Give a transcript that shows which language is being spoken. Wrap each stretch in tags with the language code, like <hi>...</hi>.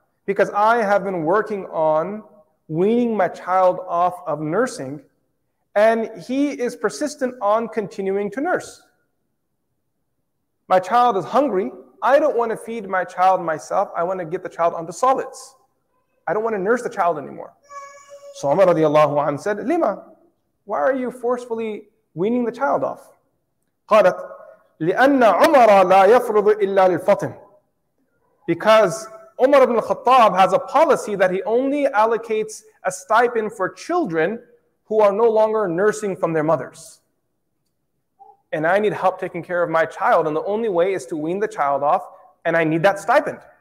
<en>because I have been working on weaning my child off of nursing, and he is persistent on continuing to nurse. My child is hungry. I don't want to feed my child myself. I want to get the child onto solids. I don't want to nurse the child anymore. So Umar radiallahu anhu said, Lima, why are you forcefully weaning the child off?</en> <ar>قالت لأن عمر لا يفرض إلا للفطن.</ar> <en>Because Umar ibn al-Khattab has a policy that he only allocates a stipend for children who are no longer nursing from their mothers. And I need help taking care of my child, and the only way is to wean the child off, and I need that stipend.</en>